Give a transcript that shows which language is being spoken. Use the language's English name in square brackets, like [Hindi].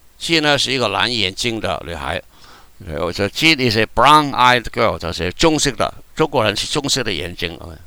[Chinese] 金呢是一个蓝眼睛的女孩. 我说 [English] Jean is a brown-eyed girl. [Chinese] 就是中国人是棕色的眼睛。